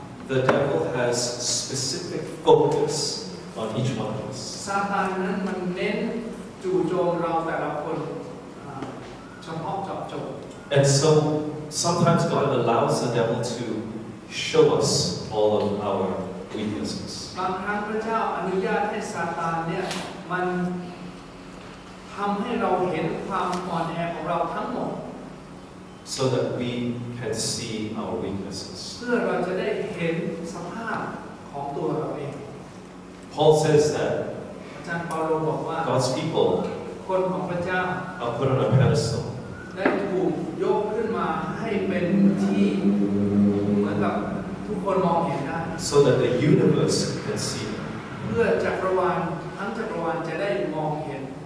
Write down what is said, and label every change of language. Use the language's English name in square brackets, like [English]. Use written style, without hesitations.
[English] The devil has specific focus on each one of us. [Thai] ซาตานนั้นมันเน้นจู่โจมเราแต่ละคนเฉพาะเจาะจง [English] And so sometimes God allows the devil to show us all of our weaknesses. [Thai] บางครั้งพระเจ้าอนุญาตให้ซาตานเนี่ยมันทำให้เราเห็นความอ่อนแอของเราทั้งหมด [English] So that we can see our weaknesses. [Thai] เพื่อเราจะได้เห็นสภาพของตัวเราเอง [English] Paul says that. [Thai] อาจารย์เปาโลบอกว่า [English] God's people. [Thai] คนของพระเจ้า [English] are put on a pedestal. [Thai] ได้ถูกยกขึ้นมาให้เป็นที่เหมือนกับทุกคนมองเห็นได้ [English] So that the universe can see. [Thai] เพื่อจักรวาลทั้งจักรวาลจะได้มองเห็น